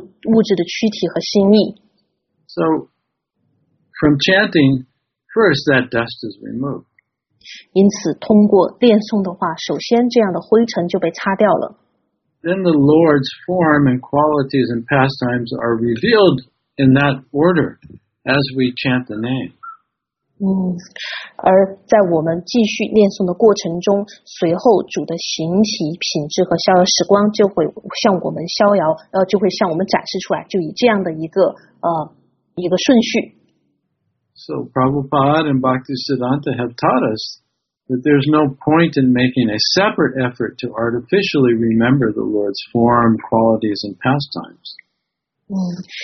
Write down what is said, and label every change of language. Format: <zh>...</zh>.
<zh>我们认同了物质的躯体和心意。</zh> <en>So, from chanting, first that dust is removed.</en> <zh>因此通过念诵的话, 首先这样的灰尘就被擦掉了。</zh> <en>Then the Lord's form and qualities and pastimes are revealed in that order, as we chant the name.</en> <zh>而在我们继续念诵的过程中, 随后主的形体、品质和逍遥时光就会向我们逍遥, 就会向我们展示出来, 就以这样的一个, 一个顺序。</zh> <en>So Prabhupada and Bhaktisiddhanta have taught us that there's no point in making a separate effort to artificially remember the Lord's form, qualities, and pastimes.</en>